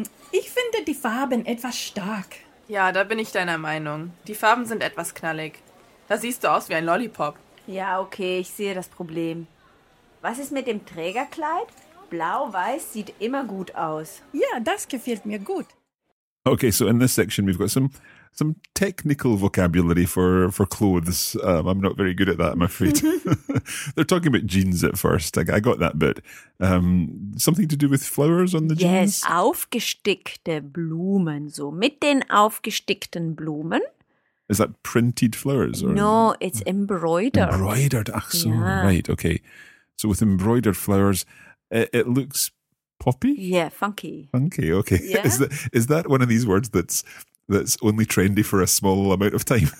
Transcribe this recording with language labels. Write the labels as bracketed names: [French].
[German] Ich finde die Farben etwas stark. Ja, da bin ich deiner Meinung. Die Farben sind etwas knallig. Da siehst du aus wie ein Lollipop. Ja, okay, ich sehe das Problem. Was ist mit dem Trägerkleid? Blau-weiß sieht immer gut aus. Ja, das gefällt mir gut. [English] Okay, so in this section we've got some technical vocabulary for clothes. I'm not very good at that, I'm afraid. They're talking about jeans at first. I got that bit. Something to do with flowers on the jeans? [German] Yes, aufgestickte Blumen. So mit den aufgestickten Blumen. [English] Is that printed flowers? Or no, it's embroidered. Embroidered, [German] ach so, [English] yeah. Right, okay. So with embroidered flowers, it looks poppy? Yeah, funky. Funky, okay. Yeah. Is that one of these words that's only trendy for a small amount of time?